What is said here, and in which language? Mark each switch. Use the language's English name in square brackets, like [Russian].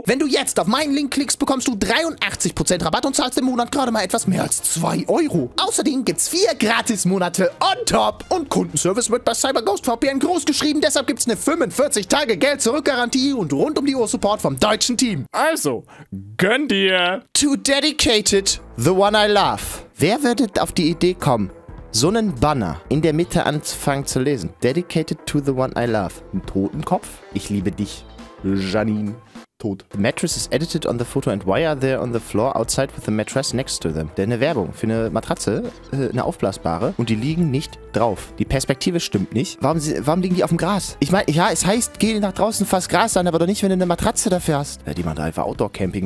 [German] Wenn du jetzt auf meinen Link klickst, bekommst du 83% Rabatt und zahlst im Monat gerade mal etwas mehr als 2 Euro. Außerdem gibt's 4 Gratis-Monate on top. Und Kundenservice wird bei CyberGhost VPN großgeschrieben, deshalb gibt's eine 45-Tage Geld-Zurück-Garantie und rund um die Uhr Support vom deutschen Team. Also, gönn dir! [English] To dedicated the one I love. [German] Wer würde auf die Idee kommen, so einen Banner in der Mitte anzufangen zu lesen? [English] Dedicated to the one I love. [German] Ein Totenkopf? Ich liebe dich, Janine. Tot. [English] The mattress is edited on the photo and why are they on the floor outside with the mattress next to them? [German] Denn eine Werbung für eine Matratze, eine aufblasbare, und die liegen nicht drauf. Die Perspektive stimmt nicht. Warum liegen die auf dem Gras? Ich meine, ja, es heißt, geh nach draußen, fass Gras an, aber doch nicht, wenn du eine Matratze dafür hast. Ja, die machen da einfach Outdoor-Camping.